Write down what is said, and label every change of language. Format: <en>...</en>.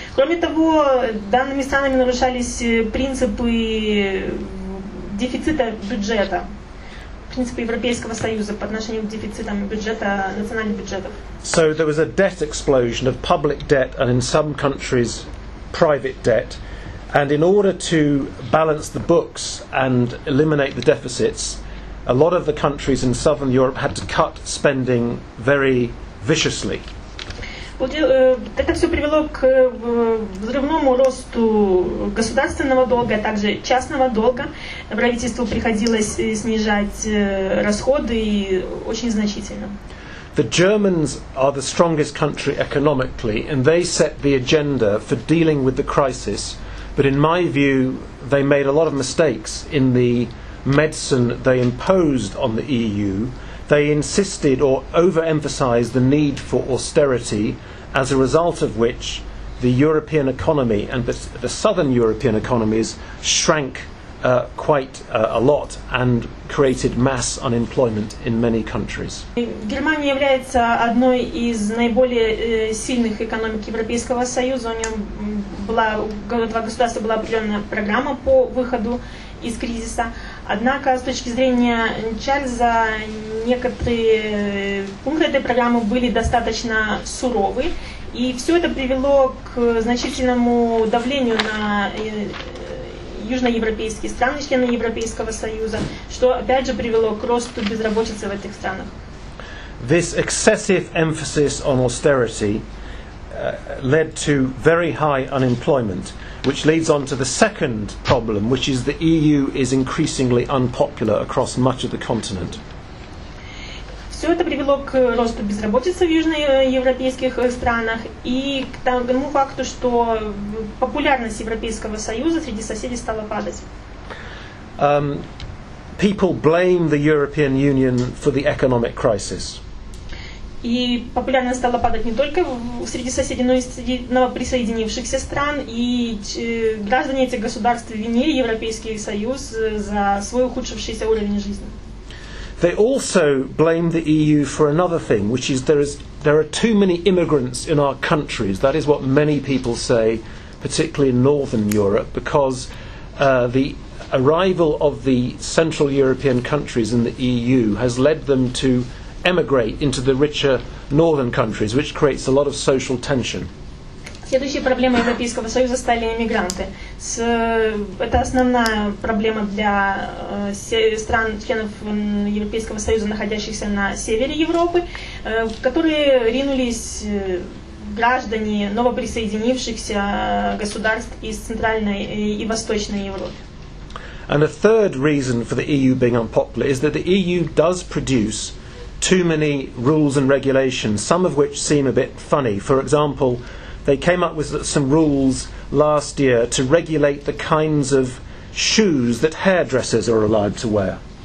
<ru>Кроме того, данными странами нарушались принципы дефицита бюджета, принципы Европейского Союза по отношению к дефицитам бюджета, национальных бюджетов.</ru> <en>So there was a debt explosion of public debt and in some countries private debt, and in order to balance the books and eliminate the deficits, a lot of the countries in southern Europe had to cut spending very viciously.</en> <ru>Это все привело к взрывному росту государственного долга, а также частного долга. Правительству приходилось снижать расходы и очень значительно.</ru> <en>The Germans are the strongest country economically, and they set the agenda for dealing with the crisis. But in my view, they made a lot of mistakes in the medicine they imposed on the EU. They insisted or overemphasized the need for austerity, as a result of which the European economy and the southern European economies shrank a lot and created mass unemployment in many countries.</en> <ru>Германия является одной из наиболее сильных экономик Европейского Союза. У нее была, два государства была определенная программа по выходу из кризиса. Однако, с точки зрения Чарльза, некоторые пункты этой программы были достаточно суровы, и все это привело к значительному давлению на южноевропейские страны, члены Европейского Союза, что опять же привело к росту безработицы в этих странах.</ru> <en>This excessive emphasis on austerity led to very high unemployment, which leads on to the second problem, which is the EU is increasingly unpopular across much of the continent.</en> <ru>Все это привело к росту безработицы в южноевропейских странах и к тому факту, что популярность Европейского Союза среди соседей стала падать.</ru> <en>People blame the European Union for the economic crisis.</en> <ru>И популярность стала падать не только среди соседей, но и среди новоприсоединившихся стран. И граждане этих государств винили Европейский Союз за свой ухудшившийся уровень жизни.</ru> <en>They also blame the EU for another thing, which is there are too many immigrants in our countries. That is what many people say, particularly in Northern Europe, because the arrival of the Central European countries in the EU has led them to emigrate into the richer northern countries, which creates a lot of social tension.</en> <ru>Следующей проблемой Европейского Союза стали эмигранты. Это основная проблема для стран, членов Европейского Союза, находящихся на севере Европы, в которые ринулись граждане новоприсоединившихся государств из Центральной и Восточной Европы.</ru> <en>And a third reason for the EU being unpopular is that the EU does produce too many rules and regulations, some of which seem a bit funny. For example, they came up with some rules last year to regulate the kinds of shoes that hairdressers are allowed to wear.</en>